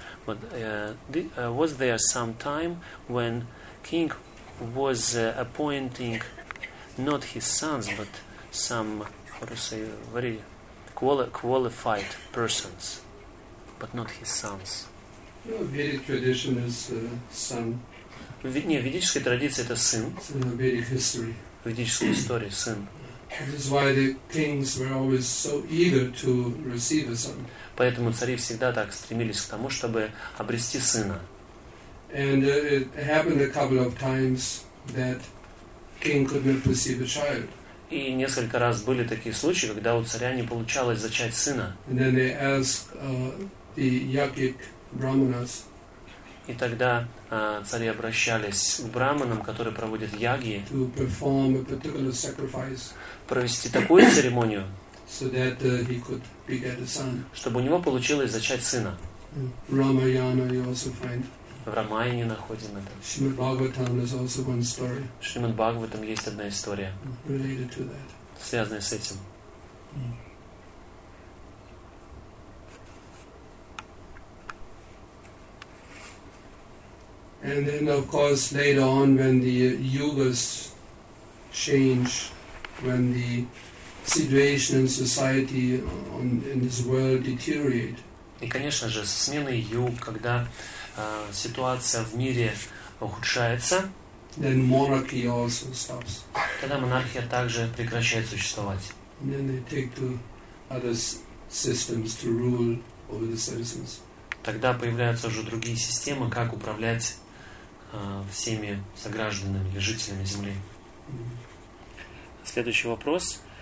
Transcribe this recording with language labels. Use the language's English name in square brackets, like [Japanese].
[English] But was there some time when king was appointing not his sons, but some, how to say, very qualified persons, but not his sons? Vedic tradition is son. [Russian] Не, ведическая традиция это сын. [English] Vedic history. [Russian] Ведическая история сын. [English] This is why the kings were always so eager to receive a son. [Russian] Поэтому цари всегда так стремились к тому, чтобы обрести сына. [English] And it happened a couple of times that king could not receive a child. [Russian] И несколько раз были такие случаи, когда у царя не получалось зачать сына. [English] And then they asked the yogic brahmanas. [Russian] И тогда цари обращались к браманам, которые проводят яги, [English] to perform a particular sacrifice. [Russian] Провести такую церемонию, [English] so that, he could beget a son. [Russian] Чтобы у него получилось зачать сына. [English] Ramayana you also find. [Russian] В Рамаяне находим это. [English] Shrimad Bhagavatam is also one story. [Russian] В Shrimad Bhagavatam есть одна история, [English] related to that. [Russian] Связанная с этим. [English] And then, of course, later on, when the yugas change, when the situation in society in this world deteriorate. [Russian] И, конечно же, со сменой юг, когда ситуация в мире ухудшается, [English] then monarchy also stops. [Russian] тогда монархия также прекращает существовать. Тогда появляются уже другие системы, как управлять всеми согражданами или жителями земли. Следующий вопрос.